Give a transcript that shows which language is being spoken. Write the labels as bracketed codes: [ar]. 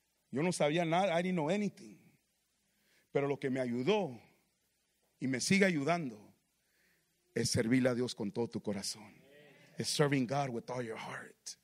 [es] Yo no sabía nada, [en] I didn't know anything. [es] Pero lo que me ayudó y me sigue ayudando es servirle a Dios con todo tu corazón. [en] Es serving God with all your heart.